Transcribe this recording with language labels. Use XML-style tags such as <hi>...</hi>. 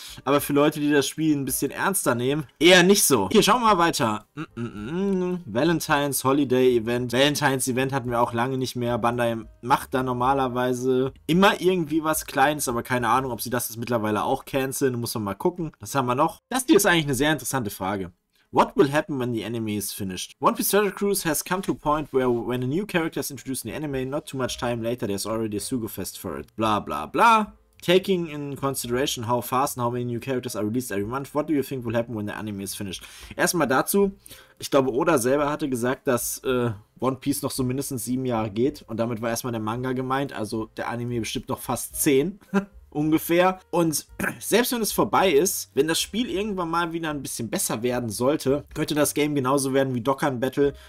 <de>Aber für Leute, die das Spiel ein bisschen ernster nehmen, eher nicht so. Hier, schauen wir mal weiter. Valentine's Holiday Event. Valentine's Event hatten wir auch lange nicht mehr. Bandai macht da normalerweise immer irgendwie was Kleines, aber keine Ahnung, ob sie das jetzt mittlerweile auch canceln. Muss man mal gucken. Was haben wir noch? Das hier ist eigentlich eine sehr interessante Frage.</de> <en>What will happen when the anime is finished? One Piece Treasure Cruise has come to a point where when a new character is introduced in the anime, not too much time later, there's already a Sugo Fest for it. Bla bla bla. Taking in consideration how fast and how many new characters are released every month, what do you think will happen when the anime is finished?</en> <de>Erstmal dazu, ich glaube, Oda selber hatte gesagt, dass One Piece noch so mindestens 7 Jahre geht. Und damit war erstmal der Manga gemeint, also der Anime bestimmt noch fast 10. ungefähr. Und selbst wenn es vorbei ist, wenn das Spiel irgendwann mal wieder ein bisschen besser werden sollte, könnte das Game genauso werden wie Dokkan Battle.</de>